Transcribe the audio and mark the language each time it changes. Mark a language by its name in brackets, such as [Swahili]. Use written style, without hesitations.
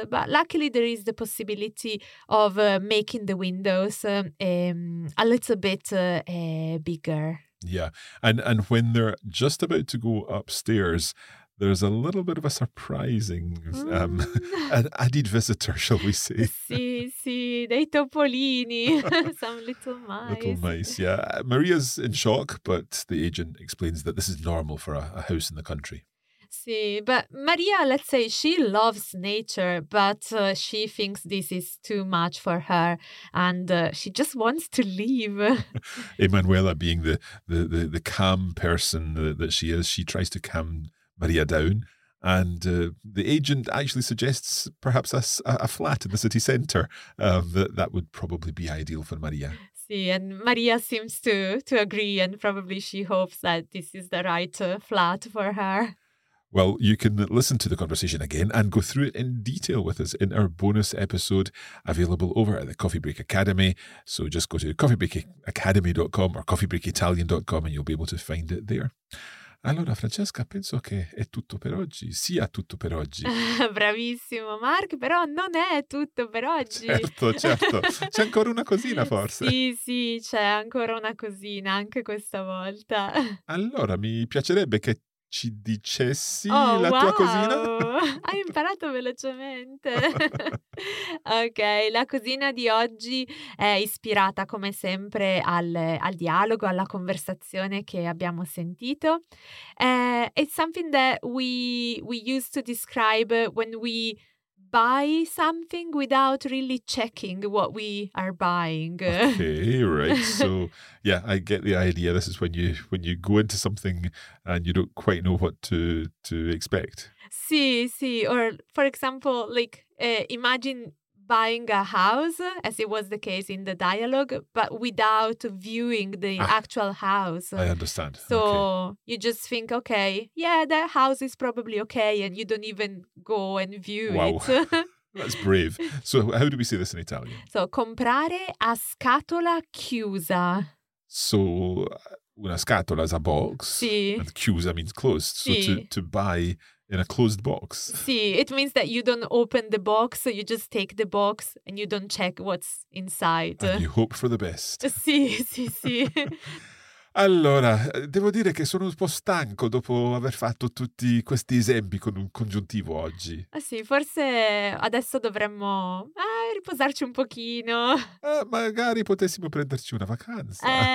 [English] But luckily there is the possibility of making the windows a little bit bigger. Yeah. And when they're just about to go upstairs, there's a little bit of a surprising an added visitor, shall we say. [Italian] Sì, sì, dei topolini, [English] some little mice. Little mice, yeah. Maria's in shock, but the agent explains that this is normal for a house in the country. Sì, but Maria, let's say she loves nature, but she thinks this is too much for her and she just wants to leave. Emanuela, being the calm person that she is, she tries to calm Maria down, and the agent actually suggests perhaps a flat in the city centre that would probably be ideal for Maria. See, and Maria seems to agree, and probably she hopes that this is the right flat for her. Well, you can listen to the conversation again and go through it in detail with us in our bonus episode available over at the Coffee Break Academy. So just go to coffeebreakacademy.com or coffeebreakitalian.com and you'll be able to find it there. [Italian] Allora, Francesca, penso che è tutto per oggi. Sia tutto per oggi. Bravissimo, Mark, però non è tutto per oggi. Certo, certo. C'è ancora una cosina, forse. Sì, sì, c'è ancora una cosina, anche questa volta. Allora, mi piacerebbe che ci dicessi tua cosina. Hai imparato velocemente. Ok, la cosina di oggi è ispirata come sempre al dialogo, alla conversazione che abbiamo sentito. [English] It's something that we use to describe when we buy something without really checking what we are buying. Okay, right. So, yeah, I get the idea. This is when you go into something and you don't quite know what to expect. [Italian] Sì, sì. [English] Or, for example, like, imagine buying a house, as it was the case in the dialogue, but without viewing the actual house. I understand. So you just think, okay, yeah, that house is probably okay, and you don't even go and view it. Wow, that's brave. So how do we say this in Italian? [Italian] So, comprare a scatola chiusa. [English] So, una scatola is a box, [Italian] sì, [English] and chiusa means closed. [Italian] Sì. [English] So to buy in a closed box. Sì, it means that you don't open the box, so you just take the box and you don't check what's inside. And you hope for the best. [Italian] Sì, sì, sì. Allora, devo dire che sono un po' stanco dopo aver fatto tutti questi esempi con un congiuntivo oggi. Ah sì, forse adesso dovremmo riposarci un pochino. Magari potessimo prenderci una vacanza.